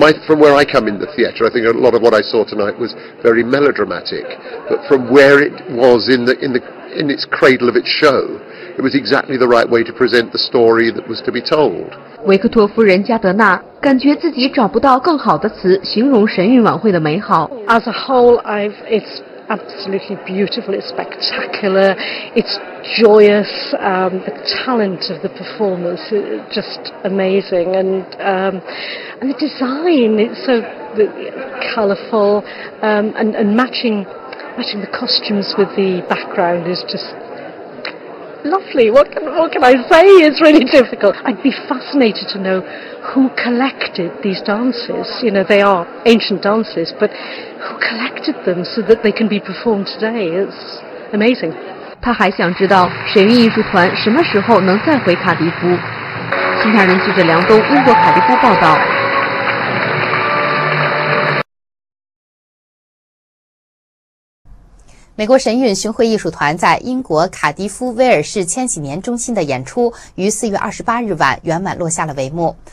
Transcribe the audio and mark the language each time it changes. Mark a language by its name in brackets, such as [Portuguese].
[English] From where I come in the theatre, I think a lot of what I saw tonight was very melodramatic. But from where it was in its cradle of its show, it was exactly the right way to present the story that was to be told. [Chinese] 维克托夫人加德纳感觉自己找不到更好的词形容神韵晚会的美好。 [English] As a whole, it's absolutely beautiful. It's spectacular. It's joyous. The talent of the performers is just amazing. And the design, it's so colorful and matching the costumes with the background is just lovely. What can I say? It's really difficult. I'd be fascinated to know who collected these dances. You know, they are ancient dances, but who collected them so that they can be performed today? It's amazing. [Chinese] 他还想知道神韵艺术团什么时候能再回卡迪夫。新唐人记者梁东，英国卡迪夫报道。美国神韵巡回艺术团在英国卡迪夫威尔士千禧年中心的演出于4月28日晚圆满落下了帷幕。